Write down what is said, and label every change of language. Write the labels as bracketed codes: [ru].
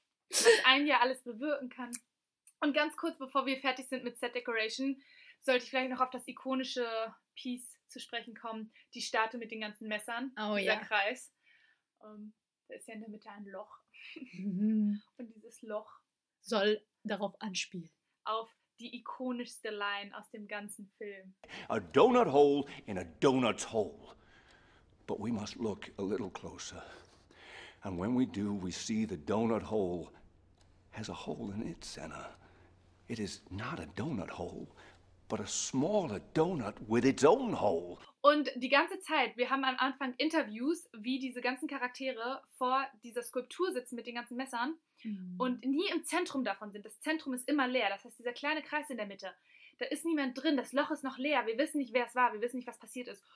[de] Was ein Jahr alles bewirken kann. Und ganz kurz, bevor wir fertig sind mit Set Decoration, sollte ich vielleicht noch auf das ikonische Piece zu sprechen kommen, die Statue mit den ganzen Messern, dieser Kreis. Da ist ja in der Mitte ein Loch. Und dieses Loch soll darauf anspielen. Auf die ikonischste Line aus dem ganzen Film. [en] A donut hole in a donut hole. But we must look a little closer. And when we do, we see the donut hole has a hole in its center. It is not a donut hole, but a smaller donut with its own hole. [de] Und die ganze Zeit, wir haben am Anfang Interviews, wie diese ganzen Charaktere vor dieser Skulptur sitzen mit den ganzen Messern und nie im Zentrum davon sind. Das Zentrum ist immer leer, das heißt dieser kleine Kreis in der Mitte. Da ist niemand drin, das Loch ist noch leer, wir wissen nicht, wer es war, wir wissen nicht, was passiert ist.